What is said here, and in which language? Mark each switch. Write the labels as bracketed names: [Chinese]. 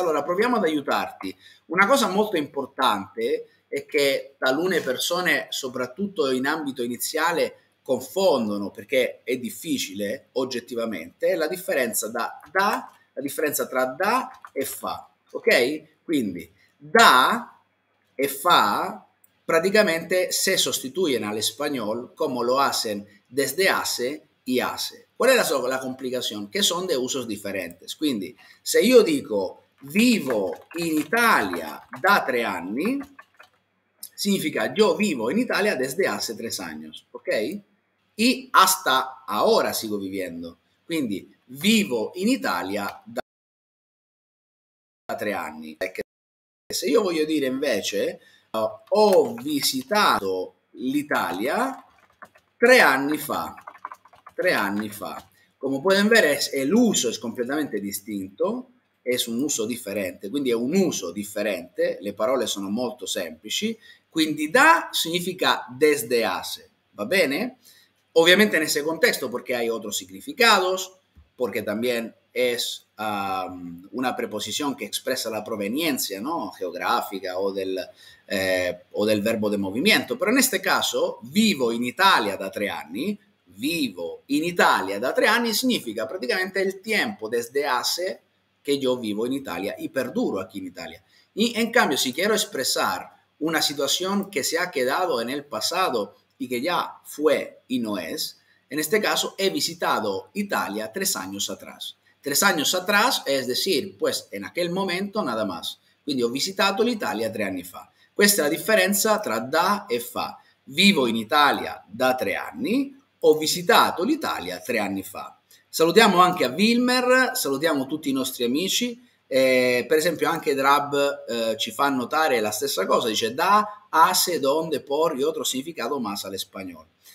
[Italian] Allora, proviamo ad aiutarti. Una cosa molto importante è che talune persone, soprattutto in ambito iniziale, confondono, perché è difficile oggettivamente, la differenza tra da e fa, ok? Quindi da e fa praticamente [Spanish] se sostituyen al español como lo hacen desde hace y hace. [Italian] Qual è la complicación? [Spanish] Que son de usos diferentes. [Italian] Quindi se io dico vivo in Italia da 3 anni, significa [Spanish] yo vivo in Italia desde hace 3 años, [Italian] ok? [Spanish] Y hasta ahora sigo viviendo. [Italian] Quindi vivo in Italia da 3 anni. Se io voglio dire invece ho visitato l'Italia 3 anni fa, 3 anni fa, come potete vedere l'uso è completamente distinto, è un uso differente, quindi è un uso differente, le parole sono molto semplici, quindi da significa desde hace, va bene? [Spanish] Ovviamente in ese contesto perché hai otros significados, perché también es una preposición que expresa la proveniencia, ¿no? Geográfica o del verbo de movimiento. Pero en este caso, [Italian] vivo in Italia da 3 anni, vivo in Italia da 3 anni significa praticamente il tempo [Spanish] desde hace que yo vivo in Italia [Italian] y perduro aquí in Italia. [Spanish] Y en cambio, si quiero expresar una situación que se ha quedado en el pasado y que ya fue y no es, En este caso, he visitado Italia 3 años atrás. 3 años atrás, es decir, pues en aquel momento nada más. [Italian] Quindi ho visitato l'Italia 3 anni fa. Questa è la differenza tra da e fa. Vivo in Italia da 3 anni, ho visitato l'Italia 3 anni fa. Salutiamo anche a Wilmer, salutiamo tutti i nostri amici. Per esempio anche Drab ci fa notare la stessa cosa, dice da, hace, donde, por, [Spanish] y otro significado más al español.